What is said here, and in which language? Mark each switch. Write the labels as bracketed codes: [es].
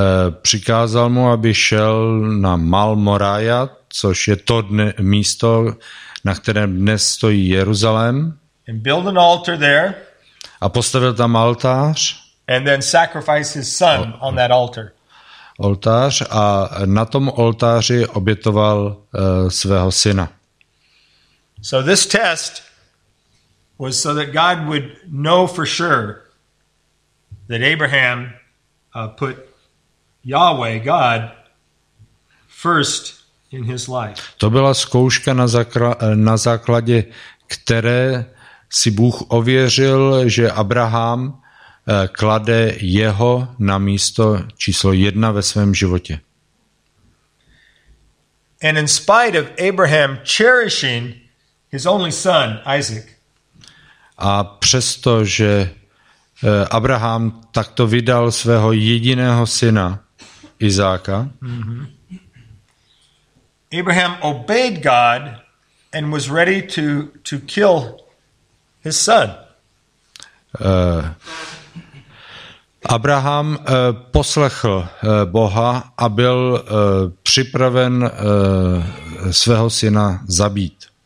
[cs] Přikázal mu, aby šel na Mal Moriah, což je to místo, na kterém dnes stojí Jeruzalém. [en] And build an altar there. [cs] A postavil tam altář. [en] And then sacrifice his son on that altar. [cs] Oltář a na tom oltáři obětoval svého syna. [en] So this test was so that God would know for sure that Abraham put Yahweh, God, first in his life. [cs] To byla zkouška na základě, které si Bůh ověřil, že Abraham klade jeho na místo číslo jedna ve svém životě. [en] And in spite of Abraham cherishing his only son Isaac. [cs] A přesto, že Abraham takto vydal svého jediného syna Izáka. [en] Abraham obeyed God and was ready to kill his son. [cs] Abraham poslechl Boha a byl připraven svého syna zabít.